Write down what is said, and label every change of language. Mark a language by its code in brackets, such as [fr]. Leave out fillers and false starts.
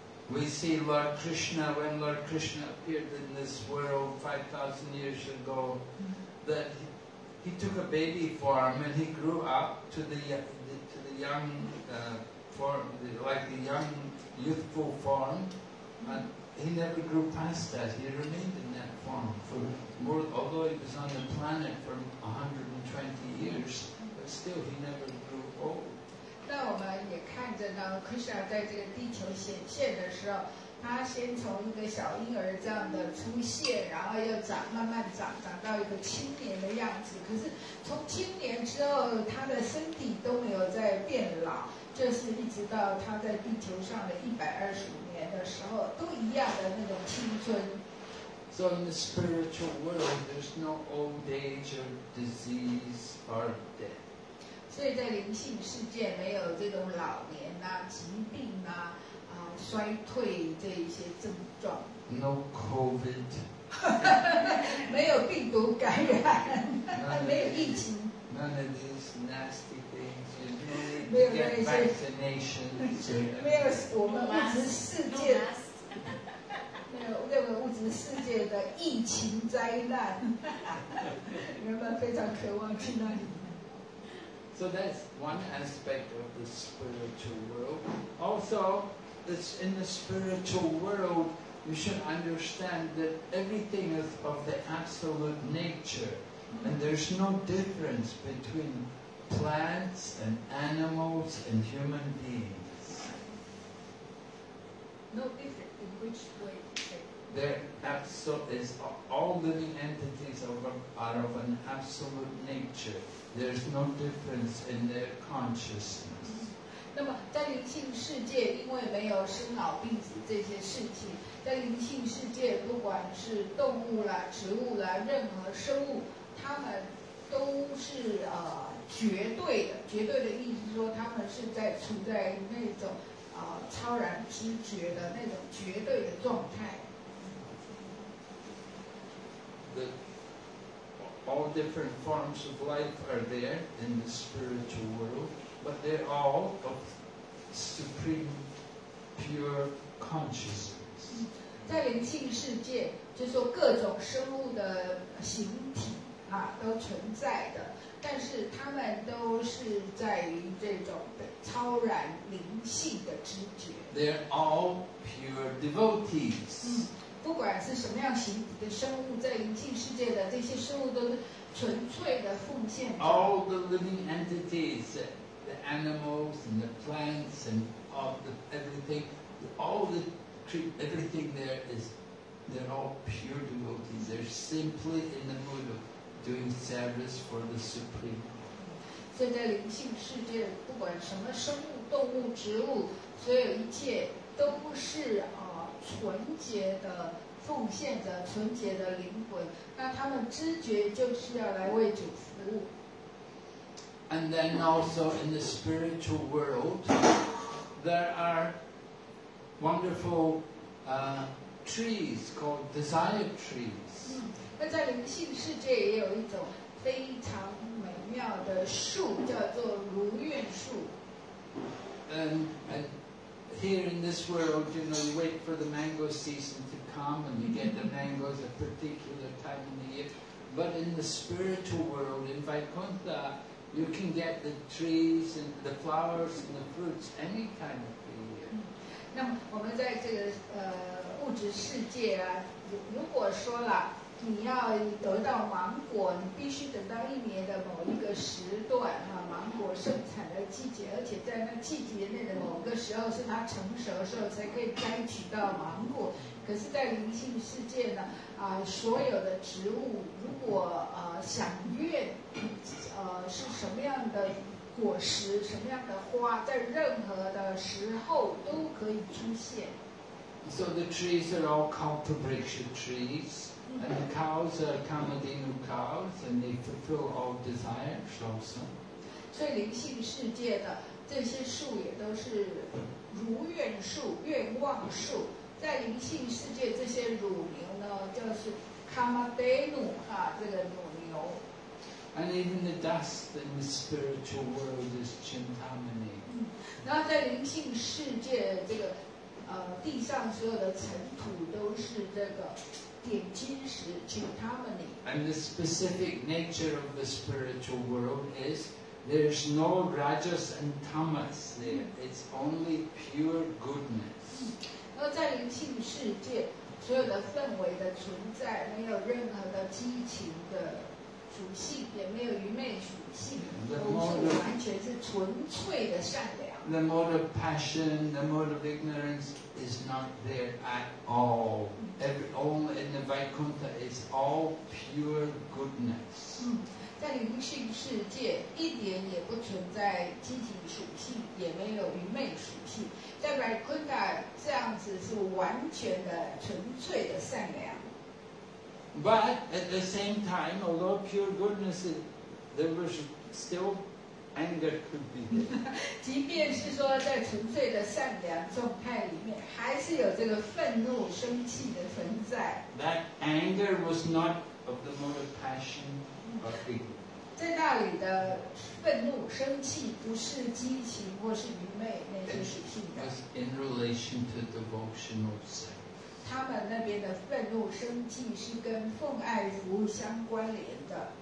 [en] We see Lord Krishna when Lord Krishna appeared in this world 5,000 years ago, that He took a baby form and he grew up to the young youthful form, and he never grew past that. He remained in that form for more, although he was on the planet for 120 years, but still he never grew old. [zh] 那我们也看着呢，Krishna在这个地球显现的时候。他先从一个小婴儿这样的出现，然后又长，慢慢长，长到一个青年的样子。可是从青年之后，他的身体都没有再变老，就是一直到他在地球上的125年的时候，都一样的那种青春。 [en] So in the spiritual world, there's no old age or disease or death. [zh] 所以在灵性世界，没有这种老年啊、疾病啊。衰退这一些症状。 [en] No COVID [zh] 没有病毒感染，没有疫情。 [en] None of these nasty things. [zh] 没有那些 [en] vaccination. [zh] 没有我们物质世界，没有物质世界的疫情灾难。人们非常渴望去那里。 [en] So that's one aspect of the spiritual world. Also. It's in the spiritual world, you should understand that everything is of the absolute nature, and there's no difference between plants and animals and human beings. No difference in which way? They're absolute, is all living entities are of an absolute nature. There's no difference in their consciousness. [zh] 那么在灵性世界，因为没有生老病死这些事情，在灵性世界，不管是动物啦、植物啦、任何生物，他们都是绝对的。绝对的意思是说，他们是在处在那种超然知觉的那种绝对的状态。 [en] The all different forms of life are there in the spiritual world. But they're all of supreme pure consciousness. [zh] 在灵性世界，就说各种生物的形体啊都存在的，但是他们都是在于这种超然灵性的知觉。 [en] They're all pure devotees. [zh] 不管是什么样形体的生物，在灵性世界的这些生物都是纯粹的奉献。 [en] All the living entities. The animals and the plants and all the everything, all the everything there is, they're all pure devotees. They're simply in the mood of doing service for the Supreme. [zh] 所以在灵性世界，不管什么生物、动物、植物，所有一切都是纯洁的奉献者，纯洁的灵魂。那他们知觉就是要来为主服务。 [en] And then also in the spiritual world, there are wonderful trees called desire trees. [zh] 那在灵性世界也有一种非常美妙的树，叫做如愿树。 [en] And here in this world, you know, you wait for the mango season to come, and you get the mangoes at a particular time in the year. But in the spiritual world, in Vaikuntha. You can get the trees and the flowers and the fruits any time of the year. [zh] 那我们在这个物质世界啊，如果说了你要得到芒果，你必须等到一年的某一个时段哈，芒果盛产的季节，而且在那季节内的某个时候是它成熟的时候才可以摘取到芒果。可是，在灵性世界呢，所有的植物如果想愿，是什么样的果实、什么样的花，在任何的时候都可以出现。 [en] So the trees are all cultivation trees, and the cows are Kamadhenu cows, and they fulfill all desires also. [zh] 所以灵性世界的这些树也都是如愿树、愿望树。在灵性世界，这些乳牛呢，就是 Kamadhenu 哈，这个乳牛。 [en] And even the dust in the spiritual world is Chintamani. [zh] 然后在灵性世界，这个地上所有的尘土都是这个点金石 Chintamani. [en] And the specific nature of the spiritual world is there's no rajas and tamas there. It's only pure goodness. [zh] 而在灵性世界，所有的氛围的存在，没有任何的激情的属性，也没有愚昧属性，都是完全是纯粹的善良。 [en] The mode of passion, the mode of ignorance is not there at all. Every, all in the Vaikuntha is all pure goodness. [zh] 嗯，在灵性世界，一点也不存在积极属性，也没有愚昧属性。在 Vaikuntha 这样子是完全的纯粹的善良。 [en] But at the same time, although pure goodness is, there was still anger could be there. [zh] 即便是说在纯粹的善良状态里面，还是有这个愤怒、生气的存在。 [en] That anger was not of the mode of passion or fear. [zh] 在那里的愤怒、生气不是激情或是愚昧那些属性的。 [en] It was in relation to devotional self. [zh] 他们那边的愤怒生气是跟奉爱服务相关联的。